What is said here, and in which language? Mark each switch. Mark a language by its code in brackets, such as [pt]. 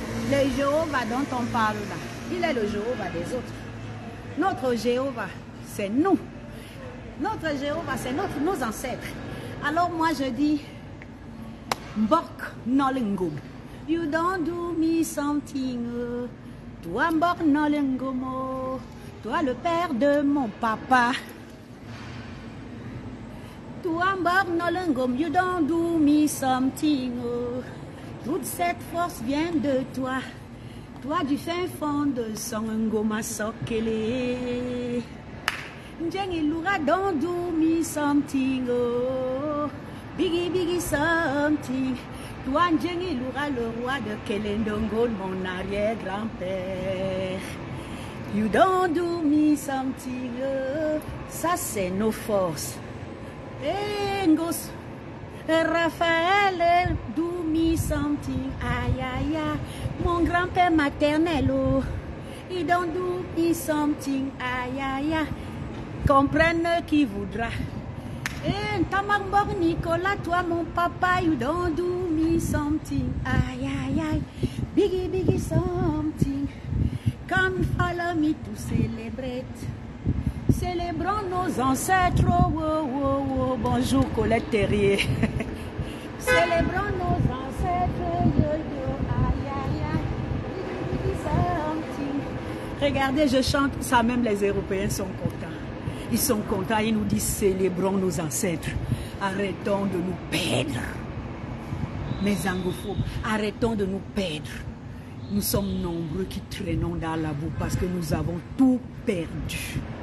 [fr] Le Jéhovah dont on parle là, il est le Jéhovah des autres. Notre Jéhovah, c'est nous. Notre Jéhovah, c'est nos ancêtres. Alors moi, je dis Mbok Nolengom. [en] You don't do me something. [fr] Toi, [en] Mbok Nolengomo. [fr] Toi, le père de mon papa. Toi, Mbok Nolengom. [en] You don't do me something. [fr] Toute cette force vient de toi, toi du fin fond de son ngoma sokele. [en] Njengi lura don't do me something, oh. Biggie something. [fr] Toi njengi lura le roi de Kelendongo, mon arrière-grand-père. [en] You don't do me something. [fr] Ça, c'est nos forces. Bengos. [en] Raphaël, do me something. Aïe, aïe, aïe. [fr] Mon grand-père maternel. Oh. [en] You don't do me something. [fr] Aïe, aïe, aïe. Comprenne qui voudra. Tamangbog Nicolas, toi mon papa, [en] you don't do me something. [fr] Aïe, aïe, aïe. [en] Biggie, biggie, something. Come follow me to celebrate. [fr] Célébrons nos ancêtres. Oh, oh, oh, oh. Bonjour Colette Terrier. Célébrons nos ancêtres. Yo, yo. Aïe, aïe, aïe. [en] Biggie, biggie, something. [fr] Regardez, je chante ça, même les Européens sont contents. Ils sont contents, ils nous disent célébrons nos ancêtres. Arrêtons de nous perdre. Mes anglophones, arrêtons de nous perdre. Nous sommes nombreux qui traînons dans la boue parce que nous avons tout perdu.